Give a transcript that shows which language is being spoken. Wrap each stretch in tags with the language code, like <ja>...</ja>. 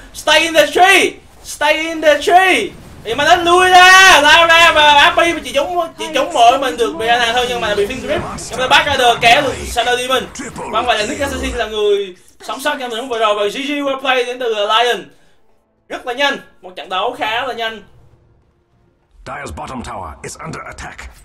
<en>Stay in the tree, stay in the tree.</en> <vi>Thì mà nó lui ra, lao ra và Abby chỉ chống, mỗi mình được Brianna thôi, nhưng mà bị Finn Grip. Nhưng mà Bad Rider kéo được Shadow Demon. Vâng, vậy là Nick Assassin là người sống sót trong đúng vừa rồi. Và GG Warplay đến từ Lion. Rất là nhanh, một trận đấu khá là nhanh.</vi> <en>Dire's bottom tower is under attack.</en>